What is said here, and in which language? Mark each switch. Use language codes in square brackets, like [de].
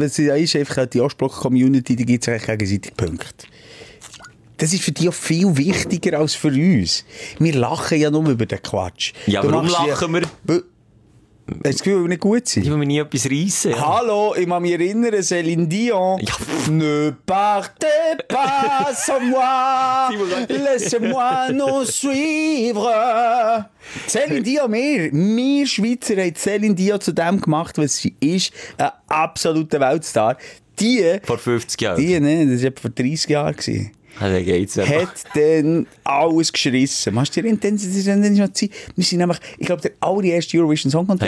[de] Was ist einfach die Ostblock-Community, da gibt es eigentlich gegenseitig Punkte. Das ist für die auch viel wichtiger als für uns. Wir lachen ja nur über den Quatsch. Ja, du warum lachen wir? Hast du das Gefühl, dass wir nicht gut sind? Ich will mich nie etwas reissen. Ja. Hallo, ich kann mich erinnern, Céline Dion. Ja. [fr] Ne partez pas sans moi, laissez-moi nous suivre. [de] Céline Dion, wir Schweizer haben Céline Dion zu dem gemacht, was sie ist, ein absoluter Weltstar. Die, vor 50 Jahren. Die, ne, das war etwa vor 30 Jahren gewesen. Also geht's einfach. Hat dann alles geschrissen. Machst du dir intensiv, das ist noch Zeit. Wir sind nämlich, ich glaube, der allererste Eurovision Song Contest.